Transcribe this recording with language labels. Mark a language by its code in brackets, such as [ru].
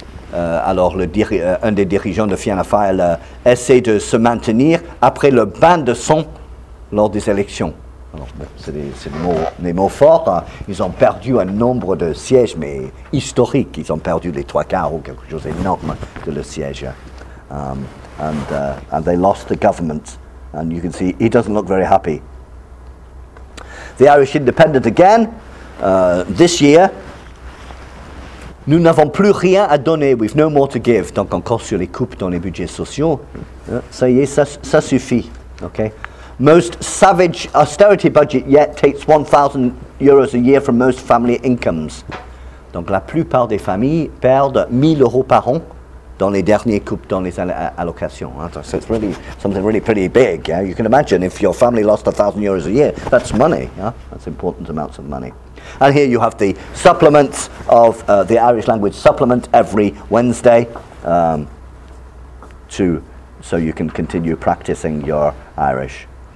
[fr] Alors, un des dirigeants de Fianna Fáil essaie de se maintenir après le bain de sang lors des élections. Alors, c'est des mots forts. Hein. Ils ont perdu un nombre de sièges, mais historiques. Ils ont perdu les trois quarts ou quelque chose d'énorme de le siège. [en] And they lost the government. And you can see he doesn't look very happy. The Irish Independent again, this year. [fr] Nous n'avons plus rien à donner, [en] we've no more to give. [fr] Donc encore sur les coupes dans les budgets sociaux, ça y est, ça suffit. Okay. [en] Most savage austerity budget yet takes 1,000 euros a year from most family incomes. [fr] Donc la plupart des familles perdent 1,000 euros par an dans les dernières coupes dans les allocations. [en] So it's really something really pretty big. Yeah? You can imagine if your family lost 1,000 euros a year, that's money. Yeah? That's important amounts of money. And here you have the supplements of the Irish language supplement every Wednesday so you can continue practicing your Irish.